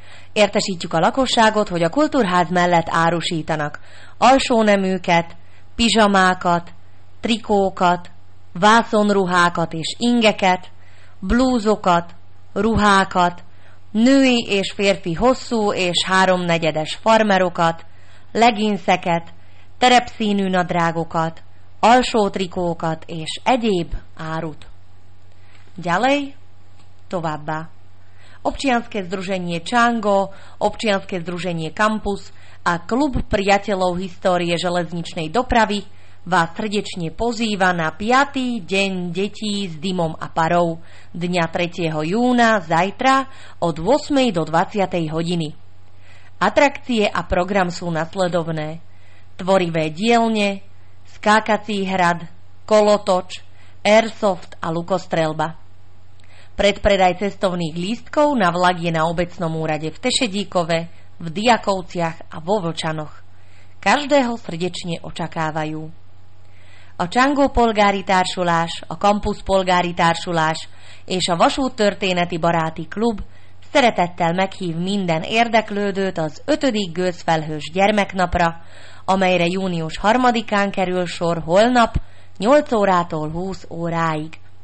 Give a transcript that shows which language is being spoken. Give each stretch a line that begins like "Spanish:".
Hungarian: Értesítjük a lakosságot, hogy a kultúrház mellett árusítanak alsóneműket, pizsamákat, trikókat, vászonruhákat és ingeket, blúzokat, ruhákat, női és férfi hosszú és háromnegyedes farmerokat, leginszeket, terepszínű nadrágokat, alsó trikókat és egyéb árut. Gyalej, továbbá.
Slovak: Občianske združenie Čango, občianske združenie Campus a klub priateľov histórie železničnej dopravy vás srdečne pozýva na 5. deň detí s dymom a parou dňa 3. júna zajtra od 8. do 20. hodiny. Atrakcie a program sú nasledovné: tvorivé dielne, skákací hrad, kolotoč, airsoft a lukostrelba. Predpredaj cestovných lístkov na vlak je na obecnom úrade v Tešedíkove, v Diakovciach a vo Vlčanoch. Každého srdečne očakávajú.
Hungarian: A Csango polgári társulás, a Campus polgári társulás és a Vasút történeti baráti klub szeretettel meghív minden érdeklődőt az 5. gőzfelhős gyermeknapra, amelyre június 3-án kerül sor holnap 8 órától 20 óráig.